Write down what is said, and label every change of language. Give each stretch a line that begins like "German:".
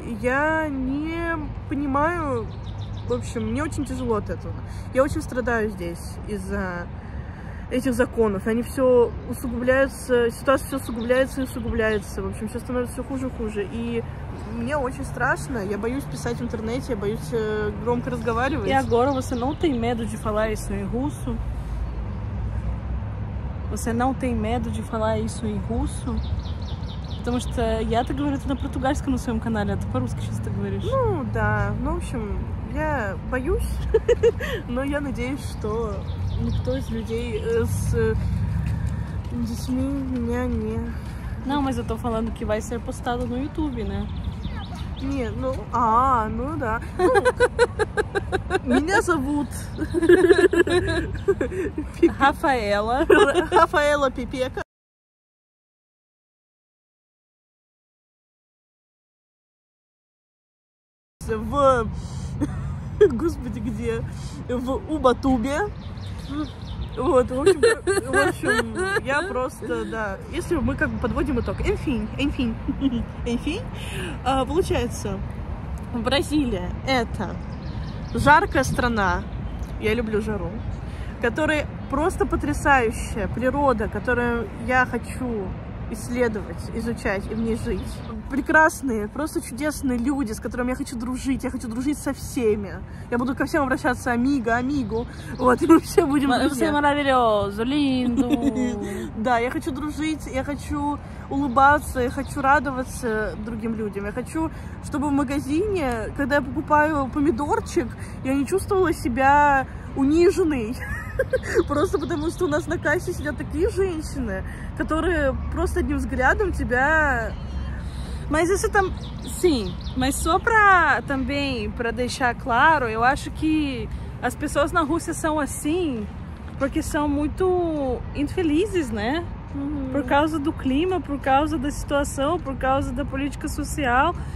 Russian: И я не понимаю... В общем, мне очень тяжело от этого. Я очень страдаю здесь из-за этих законов. Они все усугубляются, ситуация все усугубляется и усугубляется. В общем, все становится все хуже и хуже. И мне очень страшно. Я боюсь писать в интернете, я боюсь громко разговаривать.
Portuguese: И agora você não tem medo de falar isso em russo? Você não tem medo de falar isso em russo?
Russian: Потому что я-то говорю это на португальском на своем канале, а ты по-русски сейчас это говоришь. Ну, да. Ну, в общем, я боюсь, но я надеюсь, что никто из людей с детьми меня не...
Portuguese: Não, mas eu tô falando que vai ser postado no YouTube, né?
Russian: Нет, ну... А, ну да. Меня зовут... Рафаэла. Рафаэла Пипека. В... Господи, где? В Убатубе. Вот, в общем, я просто, да. Если мы как бы подводим итог.
Portuguese: Enfim.
Russian: Получается, Бразилия — это жаркая страна. Я люблю жару. Которая просто потрясающая природа, которую я хочу исследовать, изучать и в ней жить. Прекрасные, просто чудесные люди, с которыми я хочу дружить. Я хочу дружить со всеми. Я буду ко всем обращаться амиго, амиго. Вот, и мы все будем друзья. Все
Portuguese: maravilhoso, lindo.
Russian: Да, я хочу дружить, я хочу улыбаться, я хочу радоваться другим людям. Я хочу, чтобы в магазине, когда я покупаю помидорчик, я не чувствовала себя униженной. Просто потому, что у нас на кассе сидят такие женщины, которые просто одним взглядом тебя...
Portuguese: Mas isso там... Sim, mas só pra também, pra deixar claro, eu acho que as pessoas na Rússia são assim porque são muito infelizes, né? Por causa do clima, por causa da situação, por causa da política social.